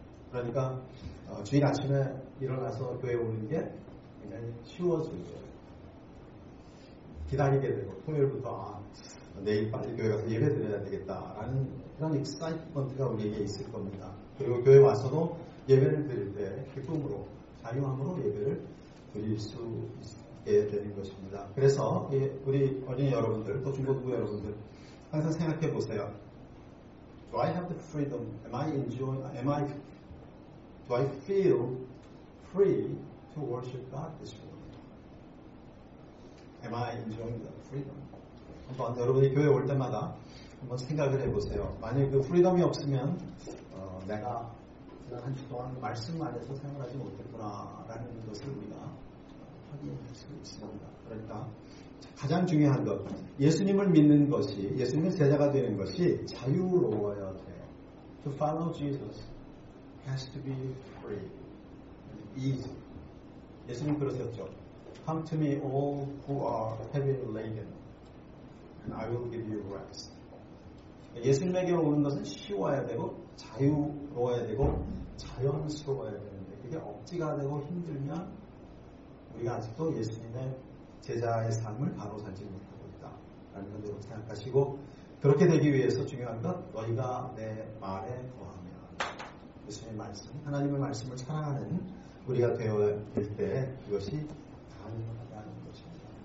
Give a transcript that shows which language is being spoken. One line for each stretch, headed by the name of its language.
Korean: 그러니까 주일 아침에 일어나서 교회 오는 게 굉장히 쉬워지고 기다리게 되고 토요일부터 내일 빨리 교회 가서 예배 드려야 되겠다라는 그런 excitement가 우리에게 있을 겁니다. 그리고 교회 와서도 예배를 드릴 때 기쁨으로 자유함으로 예배를 드릴 수 있게 되는 것입니다. 그래서 우리 어린이 여러분들 또 중고등부 여러분들 항상 생각해 보세요.
English: Do I have the freedom? Do I feel free to worship God this morning? Am I enjoying the freedom?
Korean: 한번 여러분이 교회 올 때마다 한번 생각을 해보세요. 만약 그 프리덤이 없으면 내가 지난 한 주 동안 말씀 안에서 생활하지 못했구나라는 것을 우리가 확인할 수 있습니다. 그러니까 가장 중요한 것, 예수님을 믿는 것이, 예수님의 제자가 되는 것이 자유로워야 돼요.
English: To follow Jesus has to be free and easy.
Korean: 예수님 그러셨죠?
English: Come to me all who are heavy laden and I will give you rest.
Korean: 예수님에게 오는 것은 쉬워야 되고 자유로워야 되고 자연스러워야 되는데 그게 억지가 되고 힘들면 우리가 아직도 예수님의 제자의 삶을 가로살지 못하고 있다 라는 것을 생각하시고 그렇게 되기 위해서 중요한 건 너희가 내 말에 거하면 예수님의 말씀, 하나님의 말씀을 사랑하는 우리가 되어질 때 이것이 가능하다는 것입니다.